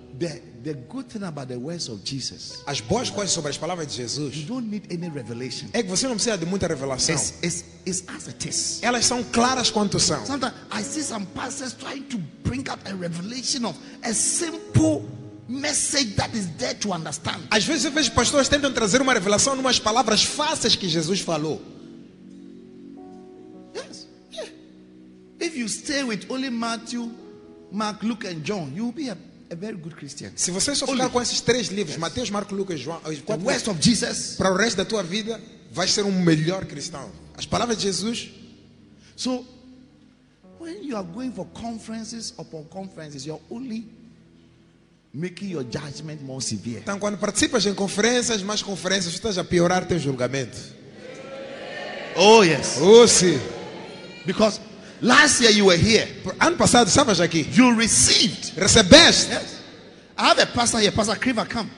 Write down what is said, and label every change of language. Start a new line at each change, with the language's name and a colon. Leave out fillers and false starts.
English: The good thing about the words of Jesus.
Portuguese: As boas coisas sobre as palavras de Jesus.
English: You don't need any revelation.
Portuguese: É que você não precisa de muita revelação.
English: It's as it is.
Portuguese: Elas são claras quanto são.
English: Sometimes I see some pastors trying to bring up a revelation of a simple message that is there to understand.
Portuguese: Às vezes eu vejo pastores tentando trazer uma revelação em umas palavras fáceis que Jesus falou.
English: Yes. Yeah. If you stay with only Matthew, Mark, Luke and John, you will be a very good Christian.
Portuguese: Se você só ficar com esses três livros, yes. Mateus, Marcos, Lucas e João,
English: the words of Jesus,
Portuguese: para o resto da tua vida, vais ser um melhor cristão. As palavras de Jesus.
English: So, when you are going for conferences upon conferences, you're only making your judgment more severe.
Portuguese: Então, quando participas em conferências, mais conferências, estás a piorar teu julgamento.
English: Oh, yes.
Portuguese: Oh, sim.
English: Because last year you were here.
Portuguese: Ano passado estavas aqui.
English: You received.
Portuguese: Recebeste.
English: Yes. I have a pastor here, Pastor Kriva, come.